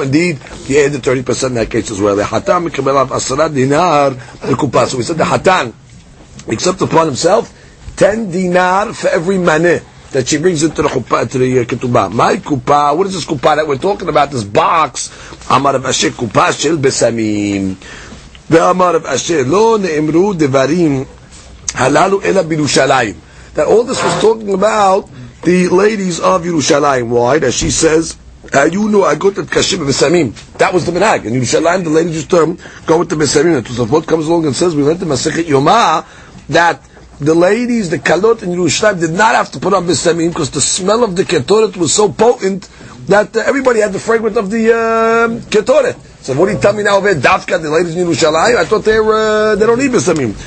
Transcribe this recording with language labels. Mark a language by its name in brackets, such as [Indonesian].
[English] Indeed, he added the 30% in that case as well. [Hebrew] The hatan mekabel av 10 dinar lekupa. [English] So we said the hatan accepts upon himself 10 dinar for every maneh that she brings into the chupa, to the ketubah. My kupa, what is this kupa that we're talking about? This box. [Hebrew] Amar v'ashe kupa shel besamim. ואמר רב אשר, לא נאמרו דברים הללו אלא בירושלים. [English] That all this was talking about the ladies of Yerushalayim. Why? As she says, [Hebrew] היו נוהגות את קשים ובסמים. [English] That was the מנהג. In Yerushalayim, the ladies used to go with the בסמים. And Tosafot comes along and says, we learned in מסכת יומא, that the ladies, the kalot in Yerushalayim, did not have to put on besamim because the smell of the ketoret was so potent that everybody had the fragrance of the ketoret. So what do you tell me now? Davka, the ladies in Yerushalayim, I thought they don't need besamim.